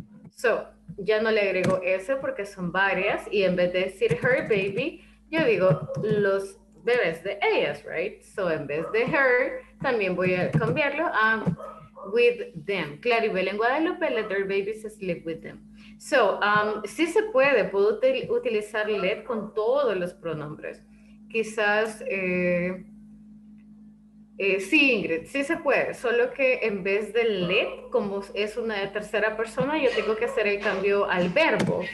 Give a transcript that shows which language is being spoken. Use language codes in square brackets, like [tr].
[es] So, ya no le agrego S porque son varias y en vez de decir her baby, yo digo los bebés de ellas, right? So, en vez de her, también voy a cambiarlo a with them. [en] Claribel en Guadalupe, let their babies sleep with them. [es] So, sí se puede, puedo utilizar let con todos los pronombres. Quizás, sí, Ingrid, sí se puede, solo que en vez de let, como es una de tercera persona, yo tengo que hacer el cambio al verbo.